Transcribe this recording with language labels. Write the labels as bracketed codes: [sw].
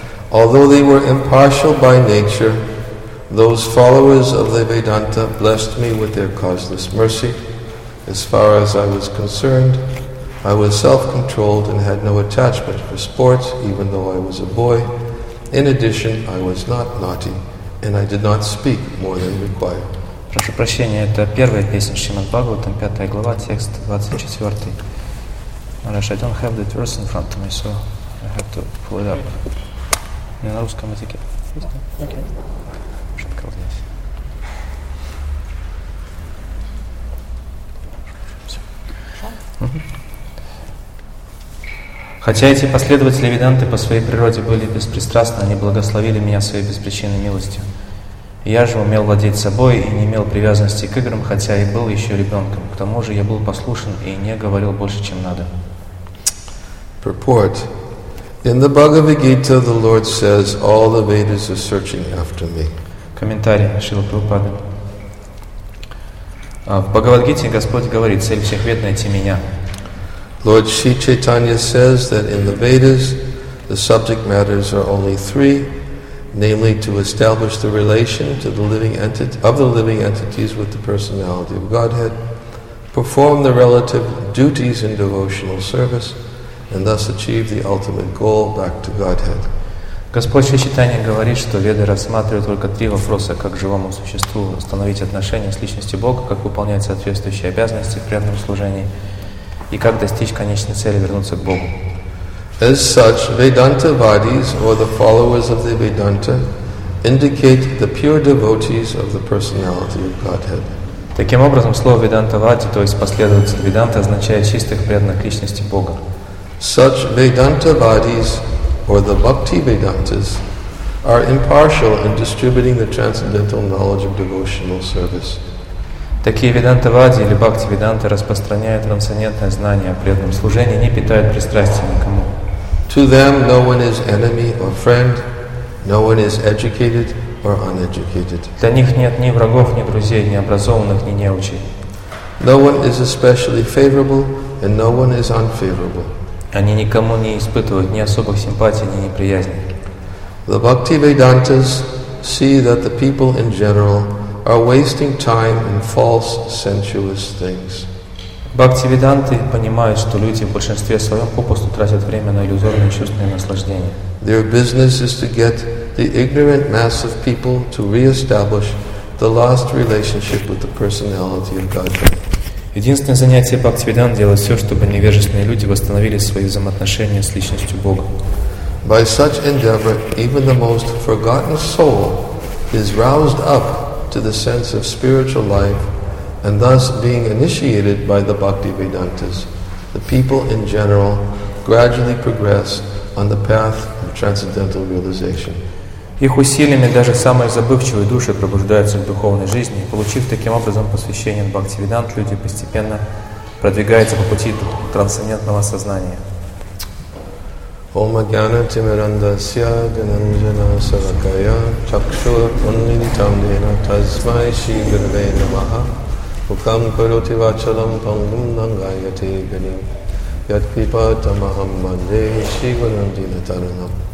[en] Although they were impartial by nature, those followers of the Vedanta blessed me with their causeless mercy. As far as I was concerned, I was self-controlled and had no attachment for sport, even though I was a boy. In addition, I was not naughty, and I did not speak more than required. [ru] Прошу прощения, это первая песня Шримад Бхагаватам, пятая глава, текст 24. [en] I don't have that verse in front of me, so I have to pull it up. [ru] Не на русском языке. Хотя эти последователи Веданты по своей природе были беспристрастны, они благословили меня своей беспричинной милостью. Я же умел владеть собой и не имел привязанности к играм, хотя и был еще ребенком. К тому же я был послушен и не говорил больше, чем надо. [en] Purport. In the Bhagavad Gita, the Lord says, all the Vedas are searching after me. [ru] Комментарий Шрилы Прабхупады. В Бхагавад-гите Господь говорит, цель всех вед — найти меня. [en] Lord Sri Chaitanya says that in the Vedas the subject matters are only three, namely to establish the relation to the living entity, of the living entities with the personality of Godhead, perform the relative duties in devotional service, and thus achieve the ultimate goal back to Godhead. [ru] Господь Шри Чайтанья говорит, что веды рассматривают только три вопроса, как живому существу установить отношения с личностью Бога, как выполнять соответствующие обязанности в преданном служении и как достичь конечной цели вернуться к Богу. [en] As such, Vedantavadis, or the followers of the Vedanta, indicate the pure devotees of the personality of Godhead. [ru] Таким образом, слово «Vedantavadi», то есть «последователь Веданты», означает чистых преданных личности Бога. [en] Such Vedantavadis, or the Bhakti Vedantas, are impartial in distributing the transcendental knowledge of devotional service. [ru] Такие Ведантавади или Бхакти Веданты распространяют трансцендентное знание о преданном служении, не питают пристрастия никому. [en] To them no one is enemy or friend, no one is educated or uneducated. [ru] Для них нет ни врагов, ни друзей, ни образованных, ни неучей. [en] No one is especially favorable and no one is unfavorable. [ru] Они никому не испытывают ни особых симпатий, ни неприязни. [en] The Bhakti Vedantas see that the people in general are wasting time in false sensuous things. [ru] Бхакти Веданты понимают, что люди в большинстве своем попусту тратят время на иллюзорные чувственные наслаждения. [en] Their business is to get the ignorant mass of people to re-establish the lost relationship with the personality of Godhead. [ru] Единственное занятие Бхактивиданты — делать все, чтобы невежественные люди восстановили свои взаимоотношения с личностью Бога. [en] By such endeavor, even the most forgotten soul is roused up to the sense of spiritual life, and thus being initiated by the Bhaktivedantas, the people in general gradually progress on the path of transcendental realization. [ru] Их усилиями даже самые забывчивые души пробуждаются в духовной жизни. Получив таким образом посвящение Бхактивидант, люди постепенно продвигаются по пути трансцендентного сознания. [sa] Ома гьяна тимирандасья гананджана савакая чакшур уннитам дена тасмай шри гурве намаха мукам кароти вачалам пангум нангаяте гани ядкрипа тамахам манде шри гурандина таранам